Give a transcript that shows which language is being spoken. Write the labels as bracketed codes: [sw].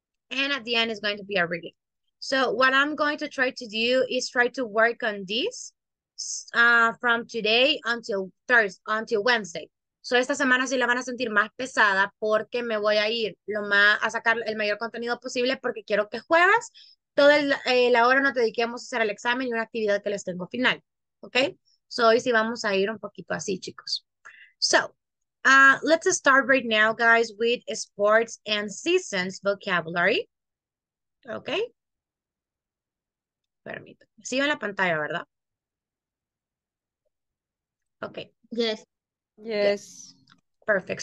[en] And at the end is going to be a reading. So what I'm going to try to do is try to work on this from today until Thursday, until Wednesday. [es] So esta semana sí la van a sentir más pesada porque me voy a ir lo más a sacar el mayor contenido posible porque quiero que jueves toda la hora nos dediquemos a hacer el examen y una actividad que les tengo final. ¿Ok? So hoy sí vamos a ir un poquito así, chicos. [en] So, let's start right now, guys, with sports and seasons vocabulary. ¿Ok? [es] Permítanme. Sigue en la pantalla, ¿verdad? Ok. [en] Yes. Yes. Perfect.